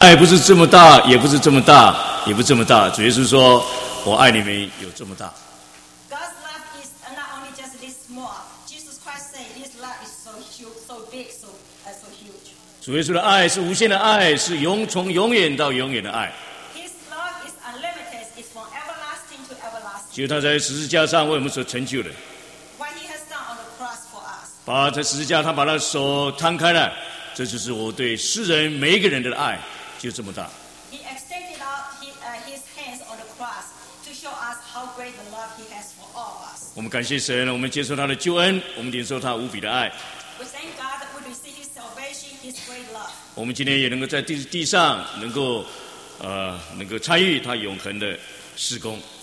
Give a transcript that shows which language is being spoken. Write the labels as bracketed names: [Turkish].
[Chinese] 爱不是这么大，也不是这么大，也不这么大。主耶稣说，我爱你们有这么大。 [English] God's love is not only just this small. Jesus Christ said, His love is so huge, so big, so huge. [Chinese] 主耶稣的爱是无限的爱，是从永远到永远的爱。 [English] His love is unlimited, it's from everlasting to everlasting. [Chinese] 就他在十字架上为我们所成就的。 [English] What he has done on the cross for us. [Chinese] 把在十字架，他把那手摊开了。这就是我对世人每一个人的爱，就这么大。 [English] He extended out his hands on the cross to show us how great the love he has for all of us. [Chinese] 我们感谢神，我们接受他的救恩，我们领受他无比的爱。 [English] We thank God that we receive his salvation, his great love. [Chinese] 我们今天也能够在地上能够参与他永恒的事工。